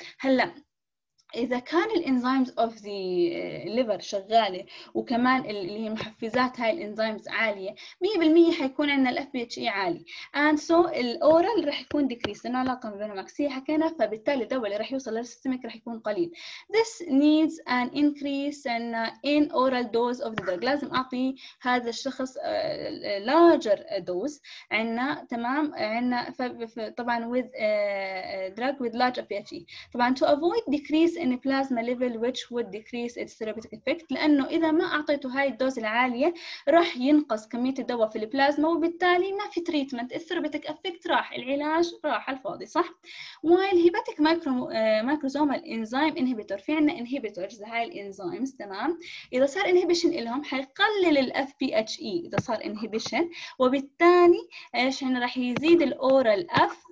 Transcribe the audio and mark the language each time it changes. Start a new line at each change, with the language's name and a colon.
Arabic: هلا اذا كان الانزيمز اوف ذا ليفر شغاله، وكمان اللي هي محفزات هاي الانزيمز عاليه، 100% حيكون عندنا الـ FPHE عالي،
English: and so
Arabic: الاورال رح يكون ديكريس، لانه علاقه ما بينهم عكسيه حكينا. فبالتالي الدواء اللي رح يوصل للسيستميك رح يكون قليل.
English: This needs an increase in oral dose of the drug.
Arabic: لازم اعطي هذا الشخص
English: larger dose
Arabic: عندنا، تمام؟ عندنا طبعا
English: with drug with large FPHE طبعا to avoid decrease in a plasma level which would decrease its therapeutic effect.
Arabic: لأنه إذا ما أعطيته هاي الدوز العالية راح ينقص كمية الدواء في البلازما، وبالتالي ما في treatment، therapeutic effect راح، العلاج راح الفاضي، صح؟ والهيباتيك مايكروزومال انزيم انهيبيتور، في عنا انهيبيتورز هاي الانزيمز، تمام؟ إذا صار انهيبيشن إلهم حيقلل الـ FPHE إذا صار انهيبيشن، وبالتالي إيش عنا؟ راح يزيد الأورال F.